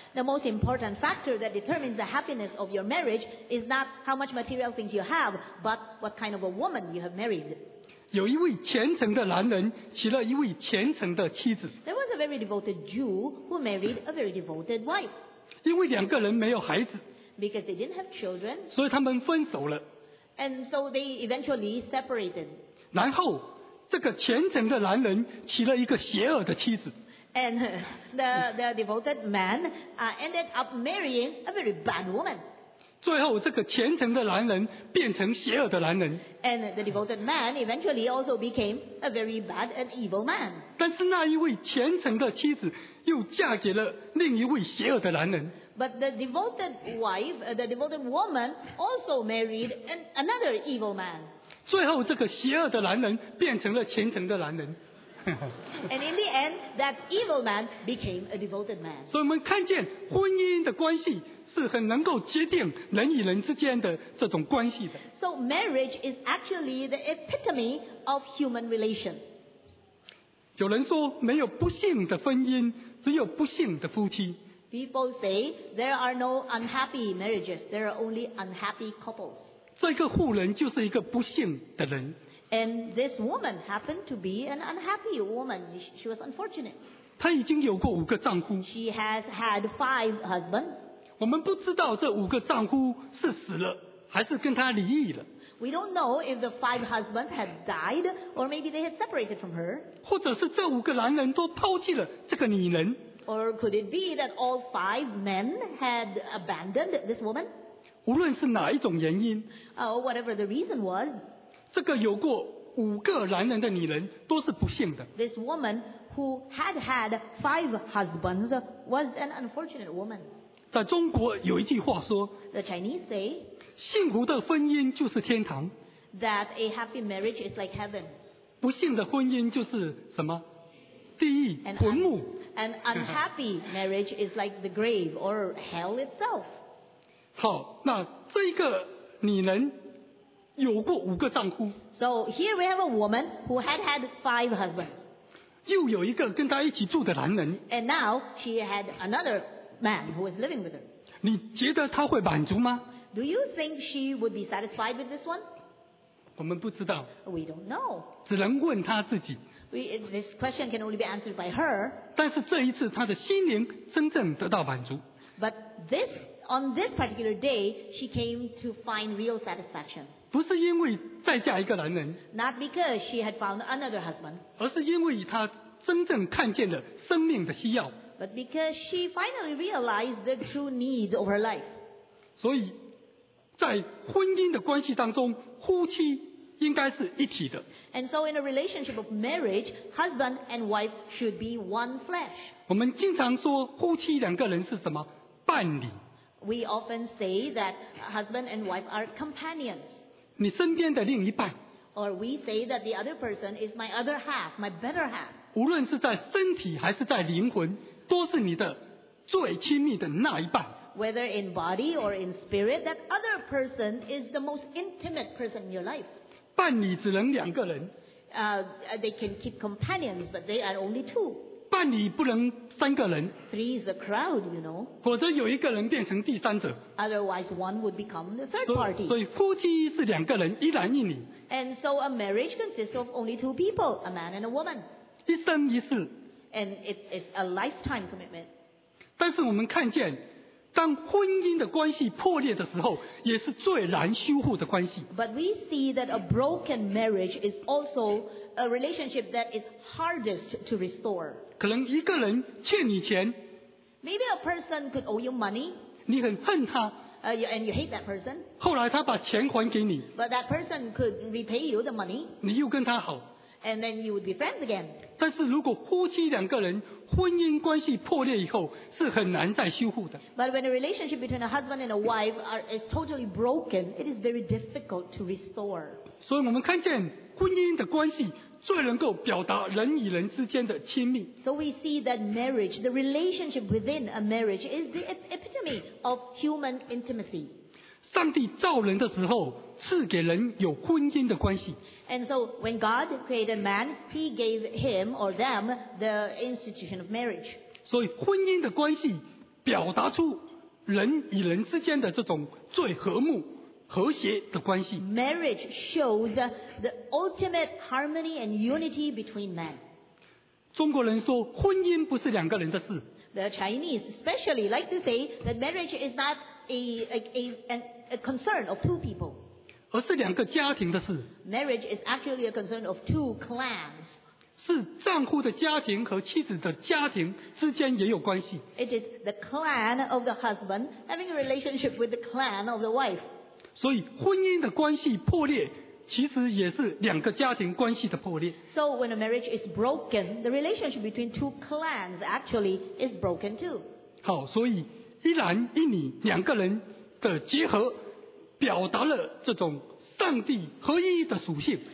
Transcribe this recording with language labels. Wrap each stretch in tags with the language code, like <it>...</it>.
<en>The most important factor that determines the happiness of your marriage is not how much material things you have, but what kind of a woman you have married.</en> <zh>有一位虔诚的男人娶了一位虔诚的妻子。</zh> <en>There was a very devoted Jew who married a very devoted wife.</en> <zh>因为两个人没有孩子。</zh> <en>Because they didn't have children.</en> <zh>所以他们分手了。</zh> <en>And so they eventually separated.</en> <zh>然后这个虔诚的男人娶了一个邪恶的妻子。</zh> <en>And the devoted man ended up marrying a very bad woman.</en> <zh>最后这个虔诚的男人变成邪恶的男人。</zh> <en>And the devoted man eventually also became a very bad and evil man.</en> <zh>但是那一位虔诚的妻子又嫁给了另一位邪恶的男人。</zh> <en>But the devoted wife, the devoted woman also married another evil man.</en> <zh>最后这个邪恶的男人变成了虔诚的男人。</zh> <en>And in the end, that evil man became a devoted man.</en> <zh>所以我们看见婚姻的关系是很能够决定人与人之间的这种关系的。</zh> <en>So marriage is actually the epitome of human relation.</en> <zh>有人说没有不幸的婚姻，只有不幸的夫妻。</zh> <en>People say there are no unhappy marriages, there are only unhappy couples.</en> <zh>这个妇人就是一个不幸的人。</zh> <en>And this woman happened to be an unhappy woman. She was unfortunate.</en> <zh>她已经有过五个丈夫。</zh> <en>She has had five husbands.</en> <zh>我们不知道这五个丈夫是死了，还是跟她离异了。</zh> <en>We don't know if the five husbands had died, or maybe they had separated from her.</en> <zh>或者是这五个男人都抛弃了这个女人。</zh> <en>Or could it be that all five men had abandoned this woman?</en> <zh>无论是哪一种原因。</zh> <en>Whatever the reason was.</en> <zh>这个有过五个男人的女人都是不幸的。</zh> <en>This woman who had had five husbands was an unfortunate woman.</en> <zh>在中国有一句话说</zh> <en>，The Chinese say，</en> <zh>幸福的婚姻就是天堂。</zh> <en>That a happy marriage is like heaven.</en> <zh>不幸的婚姻就是什么？地狱、坟墓。</zh> <en>An unhappy marriage is like the grave or hell itself.</en> <zh>好，那这一个女人。有过五个丈夫。</zh> <en>So here we have a woman who had had five husbands.</en> <zh>又有一个跟她一起住的男人。</zh> <en>And now she had another man who was living with her.</en> <zh>你觉得她会满足吗？</zh> <en>Do you think she would be satisfied with this one?</en> <zh>我们不知道。</zh> <en>We don't know.</en> <zh>只能问她自己。</zh> <en>This question can only be answered by her.</en> <zh>但是这一次她的心灵真正得到满足。</zh> <en>But on this particular day, she came to find real satisfaction.</en> <zh>不是因为再嫁一个男人，</zh> <en>Not because she had found another husband,</en> <zh>而是因为她真正看见了生命的需要。</zh> <en>But because she finally realized the true needs of her life.</en> <zh>所以在婚姻的关系当中，夫妻应该是一体的。</zh> <en>And so in a relationship of marriage, husband and wife should be one flesh.</en> <zh>我们经常说夫妻两个人是什么？伴侣。</zh> <en>We often say that husband and wife are companions.</en> <zh>你身边的另一半。</zh> <en>Or we say that the other person is my other half, my better half.</en> <zh>无论是在身体还是在灵魂，都是你的最亲密的那一半。</zh> <en>Whether in body or in spirit, that other person is the most intimate person in your life.</en> <zh>伴侣只能两个人。</zh> <en>They can keep companions, but they are only two.</en> <zh>伴侣不能三个人。</zh> <en>Three is a crowd, you know.</en> <zh>否则有一个人变成第三者。</zh> <en>Otherwise, one would become the third party.</en> <zh>所以夫妻是两个人，一男一女。</zh> <en>And so a marriage consists of only two people, a man and a woman.</en> <zh>一生一世。</zh> <en>And it is a lifetime commitment.</en> <zh>但是我们看见，当婚姻的关系破裂的时候，也是最难修复的关系。</zh> <en>But we see that a broken marriage is also a relationship that is hardest to restore.</en> <zh>可能一个人欠你钱，</zh> <en>Maybe a person could owe you money.</en> <zh>你很恨他。</zh> <en>And you hate that person.</en> <zh>后来他把钱还给你。</zh> <en>But that person could repay you the money.</en> <zh>你又跟他好。</zh> <en>And then you would be friends again.</en> <zh>但是如果夫妻两个人婚姻关系破裂以后，是很难再修复的。</zh> <en>But when a relationship between a husband and a wife is totally broken, it is very difficult to restore.</en> <zh>所以我们看见婚姻的关系最能够表达人与人之间的亲密。</zh> <en>So we see that marriage, the relationship within a marriage, is the epitome of human intimacy.</en> <zh>上帝造人的时候，赐给人有婚姻的关系。</zh> <en>And so when God created man, He gave him or them the institution of marriage.</en> <zh>所以婚姻的关系表达出人与人之间的这种最和睦。和谐的关系。</zh> <en>Marriage shows the ultimate harmony and unity between men.</en> <zh>中国人说婚姻不是两个人的事。</zh> <en>The Chinese especially like to say that marriage is not a concern of two people.</en> <zh>而是两个家庭的事。</zh> <en>Marriage is actually a concern of two clans.</en> <zh>是丈夫的家庭和妻子的家庭之间也有关系。</zh> <en>It is the clan of the husband having a relationship with the clan of the wife.</en> <zh>所以婚姻的关系破裂，其实也是两个家庭关系的破裂。</zh> <en>So when a marriage is broken, the relationship between two clans actually is broken too.</en> <zh>好，所以一男一女两个人的结合，表达了这种上帝合一的属性。</zh>